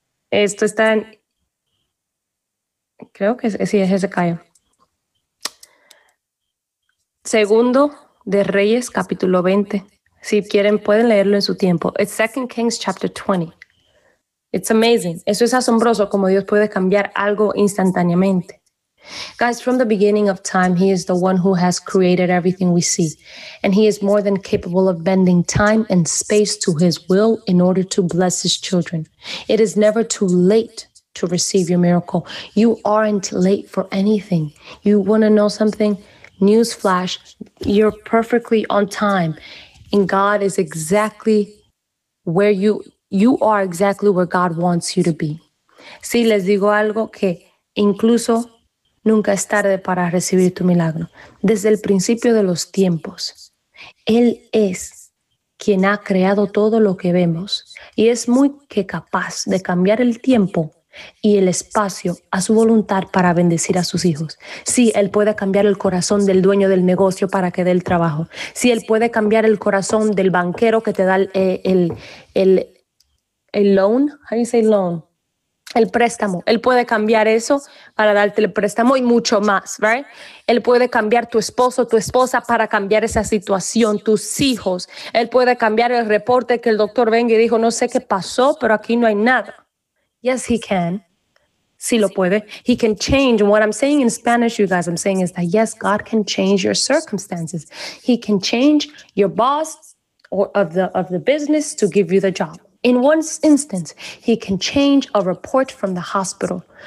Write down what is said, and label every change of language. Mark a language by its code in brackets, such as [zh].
[es] Esto está en, creo que sí, es Hezekiah. Segundo de Reyes, capítulo 20. Si quieren, pueden leerlo en su tiempo. [en] It's 2 Kings, chapter 20. It's amazing. [es] Eso es asombroso, como Dios puede cambiar algo instantáneamente. [en] Guys, from the beginning of time, he is the one who has created everything we see. And he is more than capable of bending time and space to his will in order to bless his children. It is never too late to receive your miracle. You aren't late for anything. You want to know something? Newsflash, you're perfectly on time. And God is exactly where you are exactly where God wants you to be. [es] Sí, les digo algo que incluso nunca es tarde para recibir tu milagro. Desde el principio de los tiempos, Él es quien ha creado todo lo que vemos y es muy que capaz de cambiar el tiempo y el espacio a su voluntad para bendecir a sus hijos. Sí, Él puede cambiar el corazón del dueño del negocio para que dé el trabajo. Sí, Él puede cambiar el corazón del banquero que te da el loan. [en] How do you say loan? [es] El préstamo. Él puede cambiar eso para darte el préstamo y mucho más, right? Él puede cambiar tu esposo, tu esposa para cambiar esa situación, tus hijos. Él puede cambiar el reporte que el doctor venga y dijo, no sé qué pasó, pero aquí no hay nada. [en] Yes, he can. [es] Sí lo puede. [en] He can change. And what I'm saying in Spanish, you guys, I'm saying is that yes, God can change your circumstances. He can change your boss or of the business to give you the job. In one instance, he can change a report from the hospital.